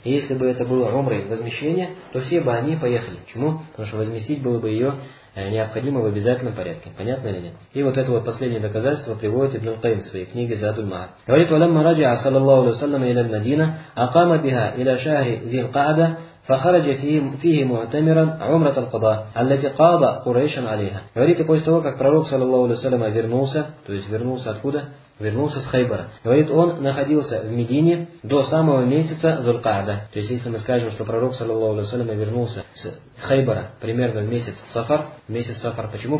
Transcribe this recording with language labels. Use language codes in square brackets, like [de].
[ru] И если бы это было умрой возмещения, то все бы они поехали. Почему? Потому что возместить было бы ее необходимо в обязательном порядке. Понятно ли нет? И вот это вот последнее доказательство приводит Ибн Аль-Каим в своей книге «Задуль Маад». Говорит, [ar] «Валамма раджиа, саллаллаху алейхи ва саллям, иля Мадина, акама биха иля шахри зиль-каада». فخرج فيه معتمرا عمرة القضاء التي قاض قريشا عليها. [ru] Говорит, и после того, как пророк, саллаллаху алейхи ва саллям, вернулся, то есть вернулся откуда? Вернулся с Хайбара. Говорит, он находился в Медине до самого месяца Зуль-Каада. То есть, если мы скажем, что пророк, саллаллаху алейхи ва саллям, вернулся с Хайбара примерно в месяц Сафар. Месяц Сафар. Почему?